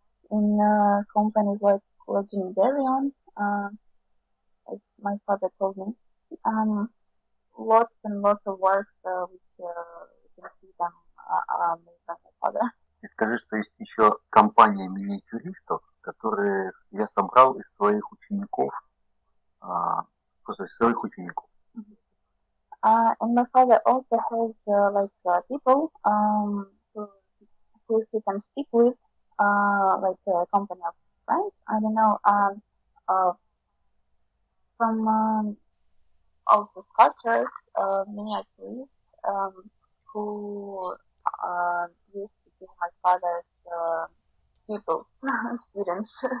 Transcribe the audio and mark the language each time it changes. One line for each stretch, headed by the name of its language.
English: In companies like Legendarium, as my father told me, lots and lots of works which you can see them made by my father.
Russian: И скажи, что есть еще компания миниатюристов, которые я собрал из своих учеников, просто из своих учеников.
English: And my father also has people who he can speak with. Like a company of friends, I don't know, from also sculptors, miniatures, who used to be my father's pupils, students.